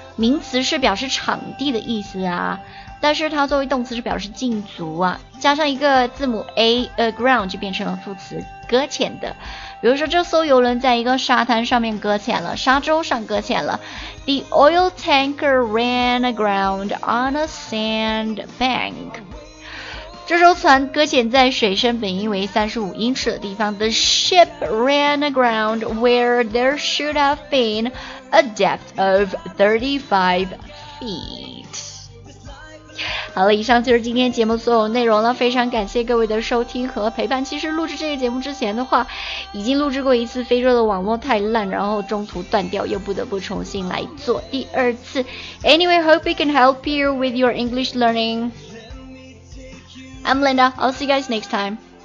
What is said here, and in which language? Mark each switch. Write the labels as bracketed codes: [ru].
[zh] 名词是表示场地的意思啊，但是它作为动词是表示禁足啊，加上一个字母 A ground 就变成了副词，搁浅的。比如说这艘游轮在一个沙滩上面搁浅了，沙洲上搁浅了。 [en] The oil tanker ran aground on a sand bank。 [zh] 这艘船搁浅在水深本应为35英尺的地方。 [en] The ship ran aground where there should have been a depth of 35 feet。 [zh] 好了，以上就是今天节目所有内容了，非常感谢各位的收听和陪伴。其实录制这个节目之前的话，已经录制过一次，非洲的网络太烂，然后中途断掉，又不得不重新来做第二次。 [en] Anyway, hope we can help you with your English learning. I'm Linda, I'll see you guys next time.